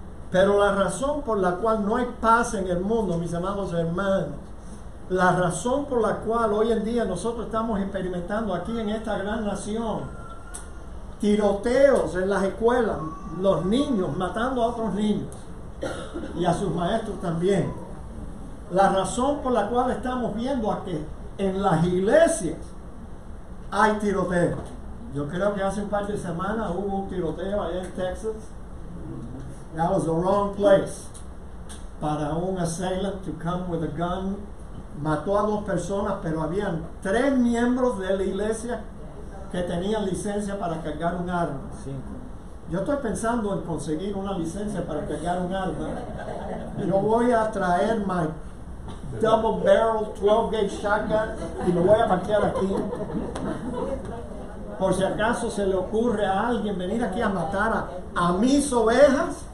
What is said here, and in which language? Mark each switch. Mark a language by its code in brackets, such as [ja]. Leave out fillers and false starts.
[es] Pero la razón por la cual no hay paz en el mundo, mis amados hermanos, la razón por la cual hoy en día nosotros estamos experimentando aquí en esta gran nación tiroteos en las escuelas, los niños matando a otros niños y a sus maestros también. La razón por la cual estamos viendo aquí en las iglesias hay tiroteo. Yo creo que hace un par de semanas hubo un tiroteo allá en Texas. [en] That was the wrong place para un assailant to come with a gun. [es] Mató a dos personas, pero habían tres miembros de la iglesia que tenían licencia para cargar un arma. Sí. Yo estoy pensando en conseguir una licencia para cargar un arma. Yo voy a traer my double barrel 12 gauge shotgun y me voy a parquear aquí por si acaso se le ocurre a alguien venir aquí a matar a mis ovejas.